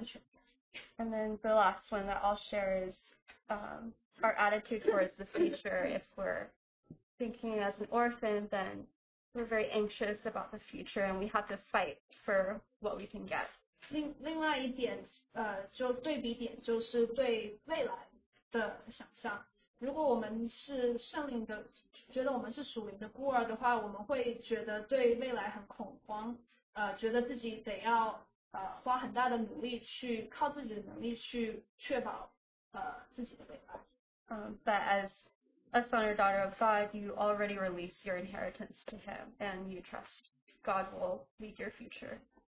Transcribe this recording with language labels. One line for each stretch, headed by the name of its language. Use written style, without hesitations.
English: And then the last one that I'll share is our attitude towards the future. If we're thinking as an orphan, then we're very anxious about the future and we have to fight for what we can get.
Chinese: 另外一点，就对比点，就是对未来的想象。如果我们是圣灵的，觉得我们是属灵的孤儿的话，我们会觉得对未来很恐慌，觉得自己得要花很大的努力去靠自己的能力去确保自己的未来。
English: But as a son or daughter of God, you already release your inheritance to Him, and you trust God will lead your future.